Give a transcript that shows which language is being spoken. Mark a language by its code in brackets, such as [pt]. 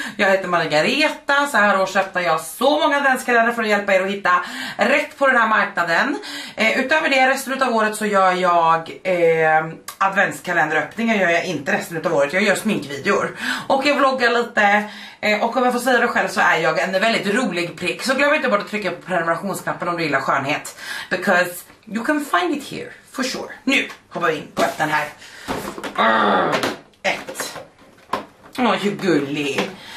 [sv] Jag heter Margareta, så här år köpte jag så många adventskalender för att hjälpa er att hitta rätt på den här marknaden. Utöver det, resten av året så gör jag adventskalenderöppningar, gör jag inte resten av året, jag gör sminkvideor. Och jag vloggar lite, och om jag får säga det själv så är jag en väldigt rolig prick. Så glöm inte bara att trycka på prenumerationsknappen om du gillar skönhet. [en] Because you can find it here, for sure. [sv] Nu hoppar vi in på den här. Ett. Åh, hur gullig.